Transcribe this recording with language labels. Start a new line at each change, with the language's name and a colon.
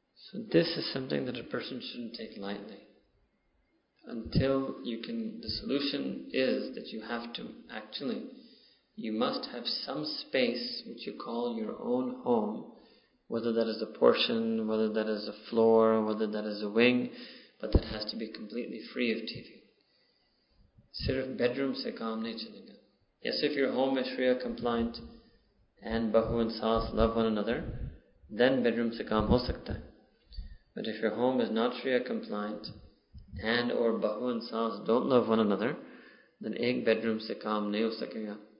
English: So this is something that a person shouldn't take lightly. Until you can, the solution is that you have to actually, you must have some space which you call your own home, whether that is a portion, whether that is a floor, whether that is a wing, but that has to be completely free of TV.
Urdu: صرف bedroom سے کام نہیں چلے گا۔
English: Yes, if your home is Sharia compliant and بہو and ساس love one another, then
Urdu: bedroom سے کام ہو سکتا ہے۔
English: But if your home is not Sharia compliant and or بہو and ساس don't love one another, then
Urdu: ایک بیڈروم سے کام نہیں ہو سکے گا۔